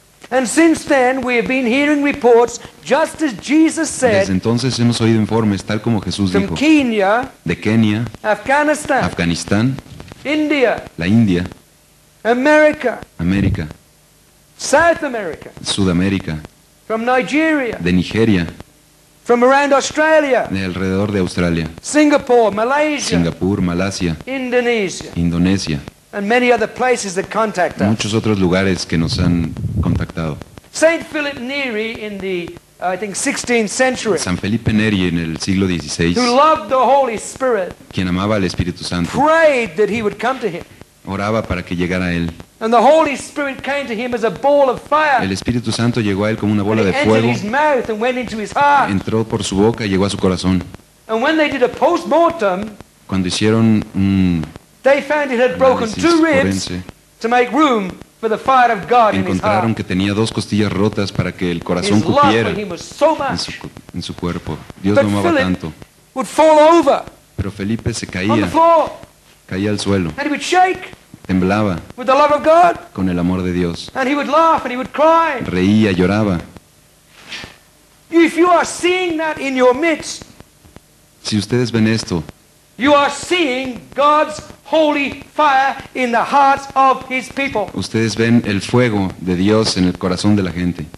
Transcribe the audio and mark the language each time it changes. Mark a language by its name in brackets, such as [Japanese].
[English] And since then we have been hearing reports just as Jesus said. [Spanish] Desde entonces hemos oído informes tal como Jesús dijo. [English] From Kenya. [Spanish] De Kenia. [English] Afghanistan. [Spanish] Afganistán. [English] India. [Spanish] La India. [English] America. [Spanish] América. [English] South America. [Spanish] Sudamérica. [English] From Nigeria. [Spanish] De Nigeria. [English] From around Australia. [Spanish] De alrededor de Australia. [English] Singapore, Malaysia. [Spanish] Singapur, Malasia. [English] Indonesia. [Spanish] Indonesia. [English] And many other places that contact us. [Spanish] Muchos otros lugares que nos han contactado. [English] Saint Philip Neri in the I think 16th century. [Spanish] San Felipe Neri en el siglo 16. [English] Who loved the Holy Spirit. [Spanish] Quien amaba al Espíritu Santo. [English] Prayed that he would come to him. [Spanish] Oraba para que llegara a él. [English] And the Holy Spirit came to him as a ball of fire. [Spanish] El Espíritu Santo llegó a él como una bola de fuego. [English] Entered his mouth and went into his heart. [Spanish] Entró por su boca y llegó a su corazón. [English] And when they did a postmortem. [Spanish] Cuando hicieron [English] they found it had broken two ribs to make room for the fire of God in his heart. [Spanish] Encontraron que tenía dos costillas rotas para que el corazón cupiera en su cuerpo. Dios lo amaba tanto. [English] Would fall over. [Spanish] Pero Felipe se caía. [English] On the floor. [Spanish] Caía al suelo. [English] And he would shake. [Spanish] Temblaba. [English] With the love of God. [Spanish] Con el amor de Dios. [English] And he would laugh and he would cry. [Spanish] Reía, lloraba. [English] If you are seeing that in your midst. [Spanish] Si ustedes ven esto. [English] You are seeing God's holy fire in the hearts of his people. [Spanish] Ustedes ven el fuego de Dios en el corazón de la gente.